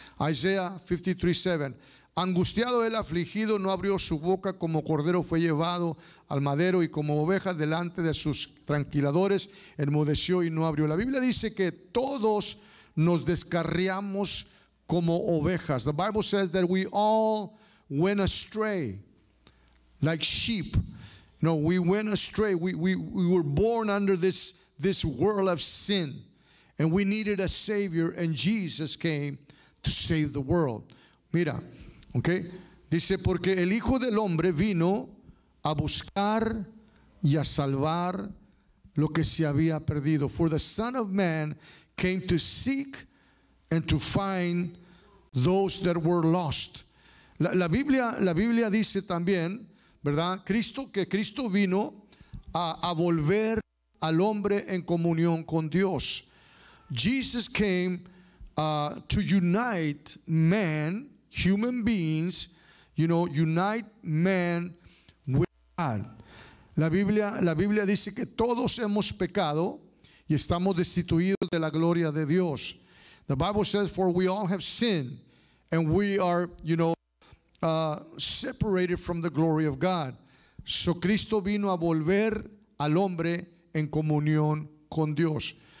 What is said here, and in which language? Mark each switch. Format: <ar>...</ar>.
<en>Isaiah 53:7.</en> <es>Angustiado el afligido, no abrió su boca, como cordero fue llevado al madero, y como oveja delante de sus tranquiladores enmudeció y no abrió. La Biblia dice que todos nos descarriamos como ovejas.</es> <en>The Bible says that we all went astray. Like sheep, no, we went astray. We were born under this world of sin, and we needed a savior. And Jesus came to save the world.</en> <es>Mira, okay. Dice porque el Hijo del Hombre vino a buscar y a salvar lo que se había perdido.</es> <en>For the Son of Man came to seek and to find those that were lost.</en> <es>La Biblia dice también, ¿verdad? Cristo, que Cristo vino a volver al hombre en comunión con Dios.</es> <en>Jesus came to unite man, human beings, you know, unite man with God.</en> <es>La Biblia dice que todos hemos pecado y estamos destituidos de la gloria de Dios.</es> <en>The Bible says, for we all have sinned and we are, you know, separated from the glory of God.</en> <es>So Cristo vino a volver al hombre en comunión con Dios.</es>